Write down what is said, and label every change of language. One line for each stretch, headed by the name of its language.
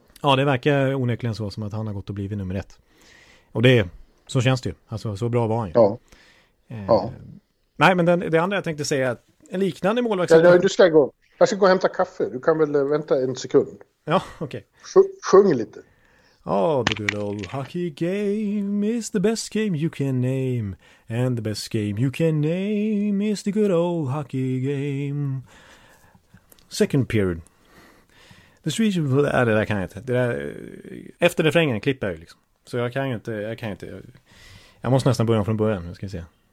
Swedish: Ja, det verkar onekligen så, som att han har gått och blivit nummer 1. Och det Så känns det ju. Alltså, så bra var han ju. Ja. Nej, men den, det andra jag tänkte säga är att en liknande målvakt... Ja, du ska gå. Jag ska gå och hämta kaffe. Du kan väl vänta en sekund. Ja, okej. Okay. Sjung lite.
English: Oh, the good old hockey game is the best game you can name. And the best game you can name is the good old hockey game. Second period. The Swedish...
Swedish: Ja, det där kan jag inte. Det där, efter det frängen klippar jag liksom. Så jag kan ju inte... Jag kan inte. Jag måste nästan börja från början. Nu ska vi se.